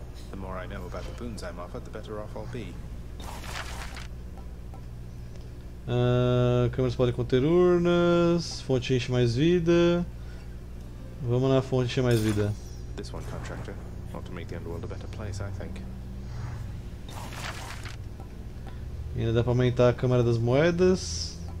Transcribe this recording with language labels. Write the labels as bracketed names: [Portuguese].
[English] The more I know about the boons I'm offered, the better off I'll be. [Portuguese] Câmeras podem conter urnas. Fonte enche mais vida. Vamos na fonte encher mais vida. [English] This one, contractor. Want to make the underworld a better place, I think. [Portuguese] E ainda dá pra aumentar a câmara das moedas.